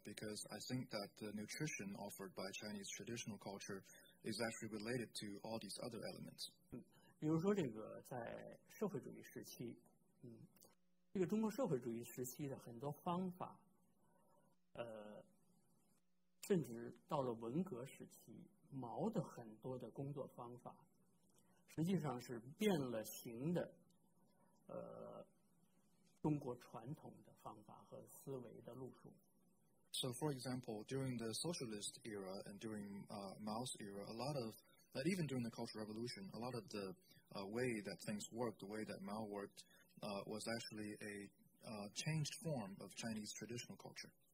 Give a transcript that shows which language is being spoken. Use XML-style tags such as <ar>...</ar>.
<en>Because I think that the nutrition offered by Chinese traditional culture is actually related to all these other elements.</en> <zh>比如说这个在社会主义时期，这个中国社会主义时期的很多方法。甚至到了文革时期，毛的很多的工作方法，实际上是变了形的，中国传统的方法和思维的路数。So</zh> <en>for example, during the socialist era and during Mao's era, a lot of, even during the Cultural Revolution, a lot of the way that things worked, the way that Mao worked, was actually a changed form of Chinese traditional culture.</en>